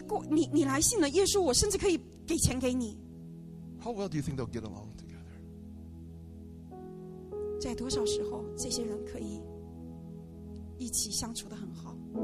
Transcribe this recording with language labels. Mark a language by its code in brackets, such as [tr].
[zh] 传福音的说，不要着急，我可以跟你做保证，你来信了耶稣，我甚至可以给钱给你。 [en] How well do you think they'll get along together? [zh] 在多少时候，这些人可以一起相处得很好？